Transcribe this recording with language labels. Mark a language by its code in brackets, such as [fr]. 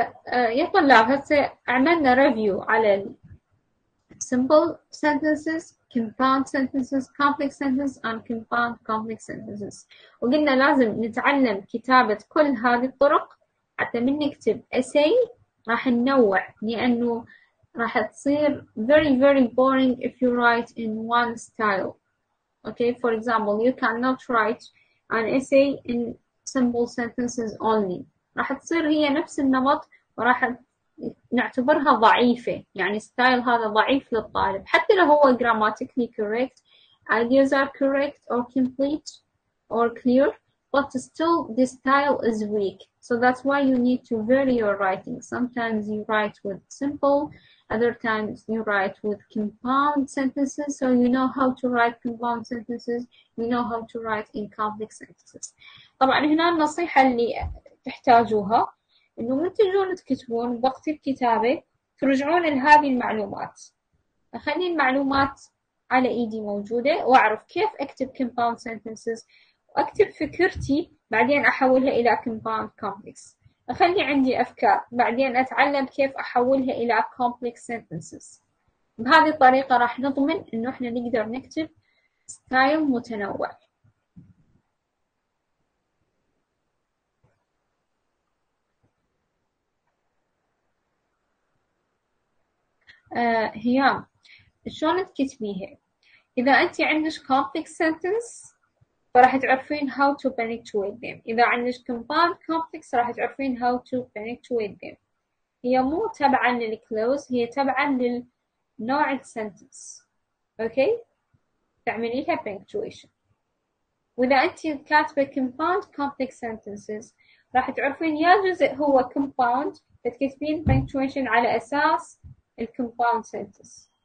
[ar] يا طلاب, هسه عملنا ريفيو على [en] simple sentences, compound sentences, complex sentences [ar] and compound complex sentences, وقلنا لازم نتعلم كتابة كل هذه الطرق حتى من نكتب essay راح ننوع, لأنه راح تصير [en] very very boring if you write in one style. Okay, for example, you cannot write an essay in simple sentences only. [ar] راح تصير هي نفس النمط وراح نعتبرها ضعيفة, يعني ستايل هذا ضعيف للطالب, حتى لو هو [en] grammatically correct, ideas are correct or complete or clear, but still the style is weak. So that's why you need to vary your writing. Sometimes you write with simple, other times you write with compound sentences. So you know how to write compound sentences, you know how to write in complex sentences. [ar] طبعا هنا النصيحة اللي تحتاجوها انه من تجون تكتبون وقت الكتابة ترجعون لهذه المعلومات, اخلي المعلومات على ايدي موجودة واعرف كيف اكتب compound sentences واكتب فكرتي بعدين احولها الى compound complex, اخلي عندي افكار بعدين اتعلم كيف احولها الى complex sentences. بهذه الطريقة راح نضمن انه احنا نقدر نكتب style متنوع. هي شلون تكتبيها؟ إذا أنت عندك complex sentence فراح تعرفين [en] how to punctuate them, [ar] إذا عندك compound complex راح تعرفين how to punctuate them. هي مو تبعا لل close, هي تبعا للنوع ال sentence. أوكي؟ تعملي لها punctuation. وإذا أنت كاتبة compound complex sentences راح تعرفين يا جزء هو compound فتكتبين punctuation على أساس الكومباوند سنتس.